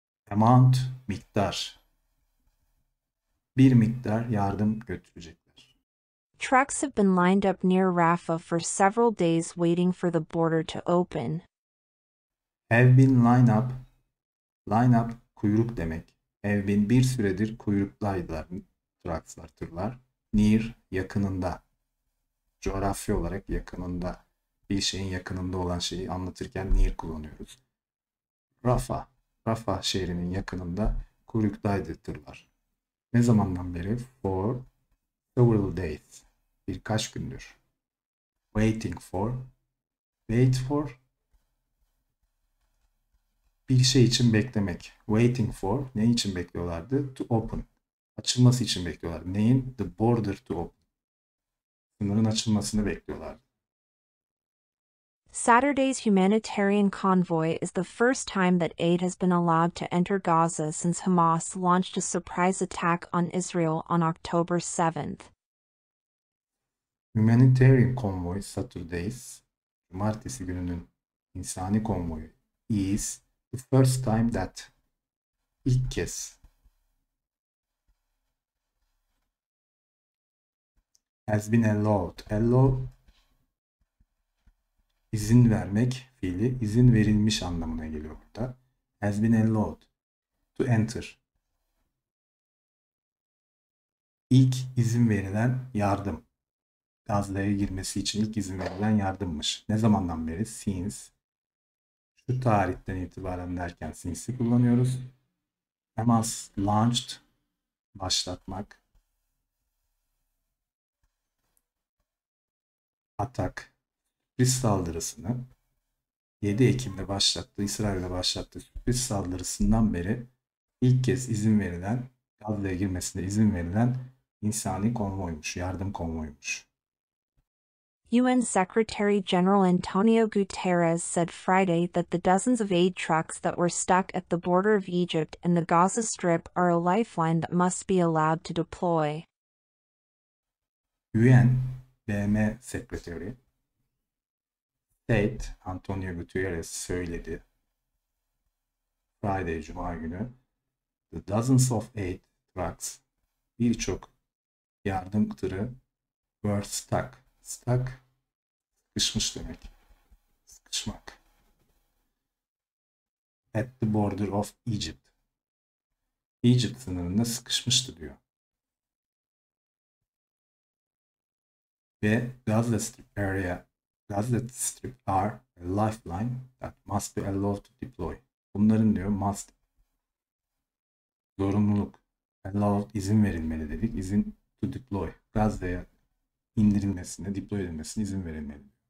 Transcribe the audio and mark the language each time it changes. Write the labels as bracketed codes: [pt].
[tr] Amount, miktar. Bir miktar yardım götürecekler. [en] Trucks have been lined up near Rafah for several days waiting for the border to open. [tr] Have been lined up. Line up, kuyruk demek. Have been bir süredir kuyruklaydılar. Trucks'lar, tırlar. Near, yakınında. Coğrafi olarak yakınında. Bir şeyin yakınında olan şeyi anlatırken near kullanıyoruz. Rafah şehrinin yakınında kuyruktaydı tırlar. Ne zamandan beri? For several days. Birkaç gündür. Waiting for. Wait for. Bir şey için beklemek. Waiting for. Ne için bekliyorlardı? To open. Açılması için bekliyorlardı. Neyin? The border to open. Sınırın açılmasını bekliyorlardı. [en] Saturday's humanitarian convoy is the first time that aid has been allowed to enter Gaza since Hamas launched a surprise attack on Israel on October 7th. Humanitarian convoy Saturday's, [tr] cumartesi gününün insani konvoyu, [en] is the first time that, [tr] ilk kez, [en] has been allowed. Allowed. [tr] İzin vermek fiili izin verilmiş anlamına geliyor burada. [en] Has been allowed to enter. [tr] İlk izin verilen yardım. Gazze'ye girmesi için ilk izin verilen yardımmış. Ne zamandan beri? Since. Şu tarihten itibaren derken since'i kullanıyoruz. Hamas launched. Başlatmak. Atak. Sürpriz saldırısını 7 Ekim'de başlattı, İsrail'de başlattı sürpriz saldırısından beri İlk kez izin verilen, Gazze'ye girmesinde izin verilen insani konvoymuş, yardım konvoymuş. [en] UN Secretary General Antonio Guterres said Friday that the dozens of aid trucks that were stuck at the border of Egypt and the Gaza Strip are a lifeline that must be allowed to deploy. [tr] UN BM Sekreteri State Antonio Guterres söyledi. Friday, Cuma günü. [en] The dozens of aid trucks, [tr] birçok yardım tırı were stuck. Stuck, sıkışmış demek. Sıkışmak. [en] At the border of Egypt. [tr] Egypt sınırında sıkışmıştı diyor. [en] Ve Gaza Strip area, Gaza Strip are a lifeline that must be allowed to deploy. [tr] Bunların diyor must, zorunluluk, allowed, izin verilmeli dedik, izin to deploy, Gazze'ye indirilmesine, deploy edilmesine izin verilmeli.